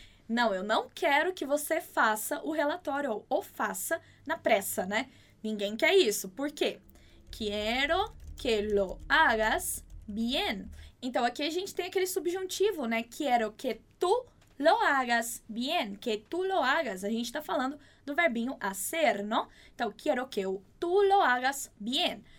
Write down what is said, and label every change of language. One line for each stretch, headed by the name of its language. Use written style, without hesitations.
Portuguese: Não, eu não quero que você faça o relatório ou faça na pressa, né? Ninguém quer isso. Por quê?
Spanish: Quiero que lo hagas bien.
Portuguese: Então aqui a gente tem aquele subjuntivo, né?
Spanish: Quiero que tu lo hagas bien, que tu lo hagas.
Portuguese: A gente tá falando do verbinho hacer, no? Então,
Spanish: quiero que tu lo hagas bien.